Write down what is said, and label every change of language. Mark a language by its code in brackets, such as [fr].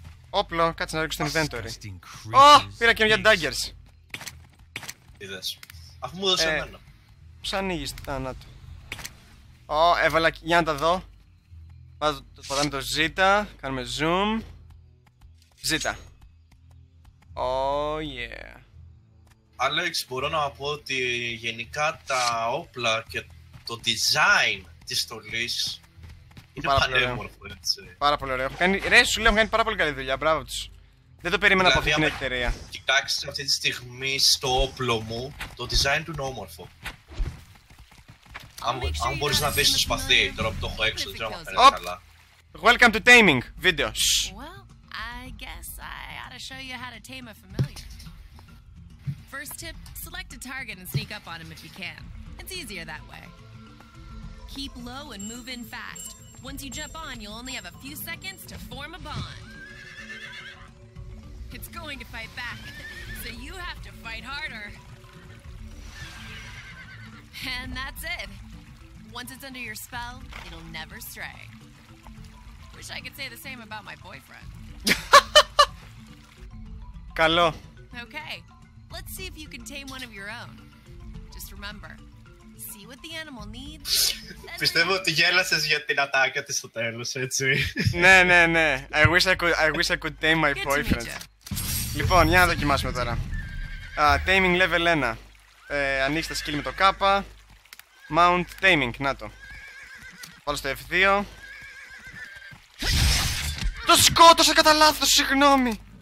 [el] Όπλο, κάτσε να ρίξω το inventory. Ω, πήρα και μια daggers. Είδες. Αφού μου δώσε εμένα. Σ' ανοίγεις, θάνατο. Ω, έβαλα, για να τα δω. Πάω το σπατάμε το ζήτα, κάνουμε zoom. [en] Ζήτα. Oh yeah. [el] Alex, μπορώ να πω ότι γενικά τα όπλα και το design της στολής είναι πάρα πανέμορφο, έτσι. Πάρα πολύ ωραίο. Ρε, σου λέω, κάνει πάρα πολύ καλή δουλειά. Μπράβο τους. Δεν το περίμενα δηλαδή, από αυτή την εταιρεία. Κοιτάξτε αυτή τη στιγμή στο όπλο μου, το design του είναι όμορφο. Αν μπορείς να δεις το σπαθί, τώρα που το έχω έξω, δεν ξέρω αν θέλετε καλά. [en] Welcome to taming video. Well, I guess I ought to show you how to tame a familiar. First tip, select a target and sneak up on him if you can. It's easier that way. Keep low and move in fast. Once you jump on, you'll only have a few seconds to form a bond. It's going to fight back, so you have to fight harder. And that's it. Once it's under your spell, it'll never stray. Wish I could say the same about my boyfriend. [el] Καλό. [en] Okay, let's see if you can tame one of your own. Just remember, see what the animal needs. [el] Πιστεύω ότι γέλασες για την ατάκα της στο τέλος, έτσι. Ναι, ναι, ναι. [en] I wish I could tame my boyfriend. [el] Λοιπόν, για να δοκιμάσουμε τώρα. [en] Taming level 1. [el] Ανοίξει τα skill με το K. Mount taming, να το. Πάω στο F2. Το σκότωσα κατά λάθος, συγγνώμη!